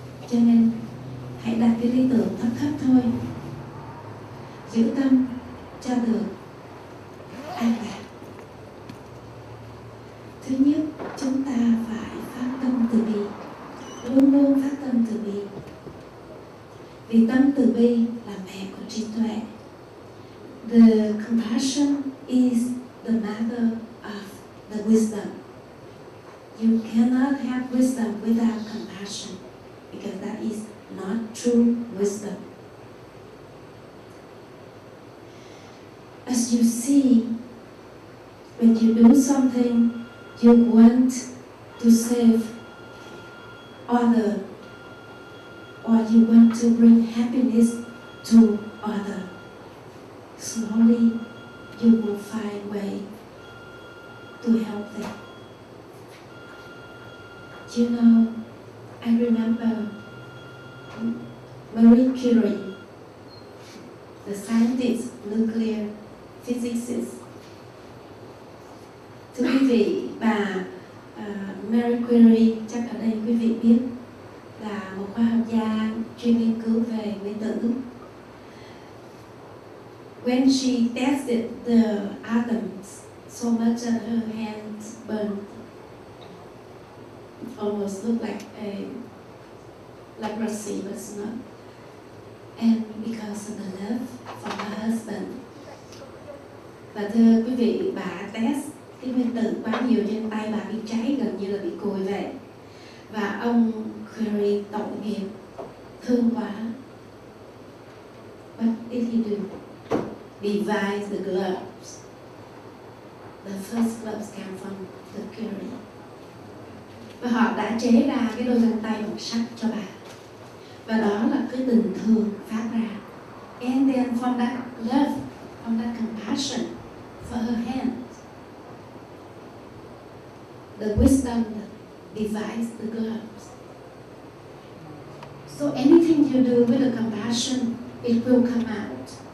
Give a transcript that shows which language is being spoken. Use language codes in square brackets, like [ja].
[vi] Cho nên hãy đặt cái lý tưởng thấp thấp thôi, giữ tâm cho được an lạc. Thứ nhất, chúng ta phải phát tâm từ bi, luôn luôn phát tâm từ bi, vì tâm từ bi là mẹ của trí tuệ. [en] The compassion is the mother of the wisdom. You cannot have wisdom without compassion, because that is not true wisdom. As you see, when you do something, you want to save other, or you want to bring happiness to other. Slowly, you will find a way to help them. You know, I remember Marie Curie, the scientist, nuclear physicist. [vi] Thưa quý vị, bà Marie Curie chắc ở đây quý vị biết là một khoa học gia chuyên nghiên cứu về nguyên tử. [en] When she tested the atoms, so much of her hands burned, almost looked like a leprosy, but it's not. And because of the love for her husband. [vi] Và thưa quý vị, bà test cái nguyên tử quá nhiều trên tay bà bị cháy, gần như là bị cùi vậy. Và ông Curie tội nghiệp, thương quá. [en] What did he do? Devise the gloves. The first gloves came from the Curie. [vi] Và họ đã chế ra cái đôi găng tay bằng sắt cho bà. Và đó là cái tình thương phát ra. [en] And then from that love, from that compassion for her hands, the wisdom devised the gloves. So anything you do with the compassion, it will come out.